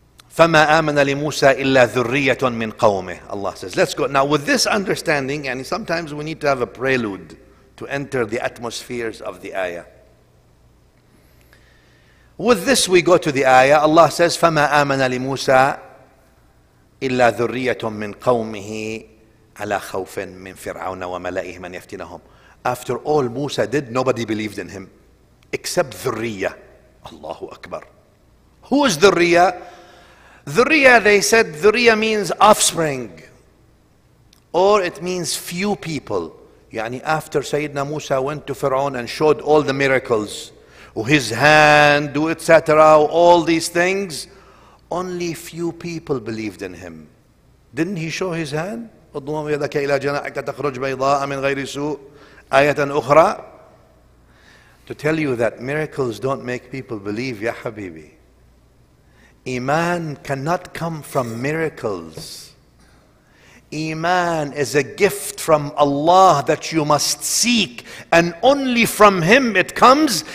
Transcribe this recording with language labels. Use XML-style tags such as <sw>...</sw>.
<ar>فما آمن لموسى إلا ذرية من قومه.</ar> <en>Allah says, let's go. Now with this understanding, and sometimes we need to have a prelude to enter the atmospheres of the ayah. With this we go to the ayah. Allah says,</en> <ar>فما آمن لموسى إلا ذرية من قومه على خوف من فرعون وملئه من يفتنهم.</ar> <en>After all Musa did, nobody believed in him except ذرية. Allahu Akbar. Who is ذرية? ذرية, they said, ذرية means offspring, or it means few people. يعني after Sayyidina Musa went to Fir'aun and showed all the miracles, his hand, etc., all these things, only few people believed in him. Didn't he show his hand?</en> <ar>اضمم يدك إلى جناحك تخرج بيضاء من غير سوء آية أخرى.</ar> <en>To tell you that miracles don't make people believe,</en> <ar>ya habibi.</ar> <en>Iman cannot come from miracles. Iman is a gift from Allah that you must seek, and only from Him it comes.</en>